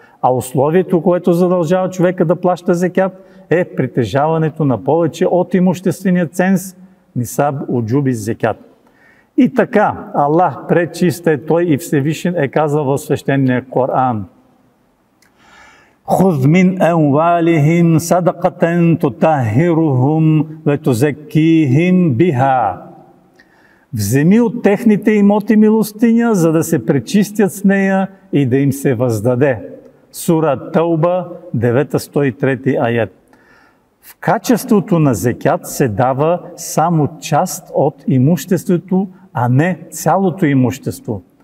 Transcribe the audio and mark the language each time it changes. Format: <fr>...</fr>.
<bg>А условието, което задължава човека да плаща зекят, е притежаването на повече от имуществения ценз, нисаб от джуби зекят. И така, Аллах пречист е Той и Всевишен е казал в свещения Коран.</bg> <ar>خذ من أموالهم صدقة تطهرهم وتزكيهم بها.</ar> <bg>Вземи от техните имоти милостиня, за да се пречистят с нея и да им се въздаде. Сура Тауба, 903 аят. В качеството на зекят се дава само част от имуществото, а не цялото имущество.</bg>